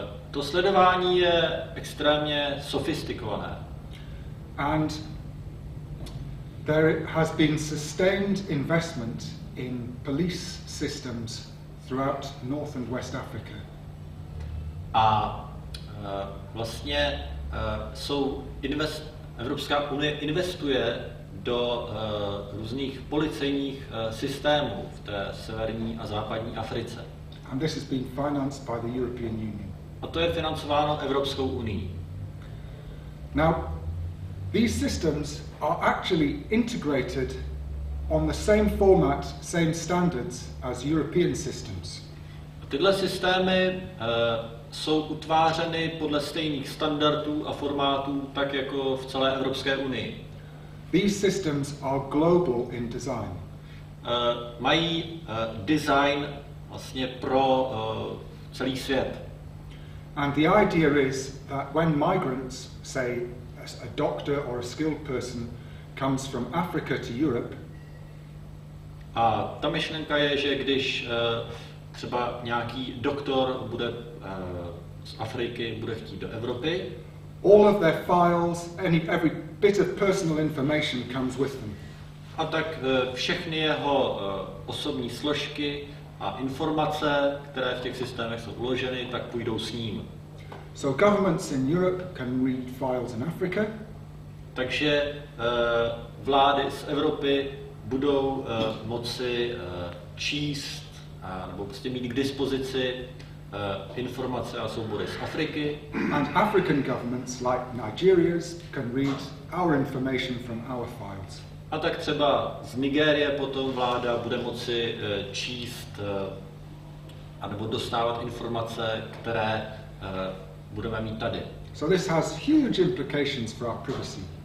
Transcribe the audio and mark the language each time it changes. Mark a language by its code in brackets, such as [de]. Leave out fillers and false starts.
[cs] To sledování je extrémně sofistikované. [en] And there has been sustained investment in police systems throughout North and West Africa. [cs] A vlastně jsou Evropská unie investuje do různých policejních systémů v té severní a západní Africe. [en] And this has been financed by the European Union. [cs] A to je financováno Evropskou unií. [en] Now, these systems are actually integrated on the same format, same standards as European systems. [cs] Tyhle systémy jsou utvářeny podle stejných standardů a formátů, tak jako v celé Evropské unii. [en] These systems are global in design. [cs] Mají design vlastně pro celý svět. [en] And the idea is that when migrants, say a doctor or a skilled person, comes from Africa to Europe. [cs] A ta myšlenka je, že když třeba nějaký doktor bude z Afriky, bude chtít do Evropy. [en] All of their files, every bit of personal information comes with them. [cs] A tak všechny jeho osobní složky a informace, které v těch systémech jsou uloženy, tak půjdou s ním. [en] So governments in Europe can read files in Africa. [cs] Takže vlády z Evropy budou moci číst nebo prostě mít k dispozici informace a soubory z Afriky. [en] And African governments like Nigeria's can read our information from our files. [cs] A tak třeba z Nigérie potom vláda bude moci číst anebo dostávat informace, které budeme mít tady. [en] So this has huge implications for our privacy.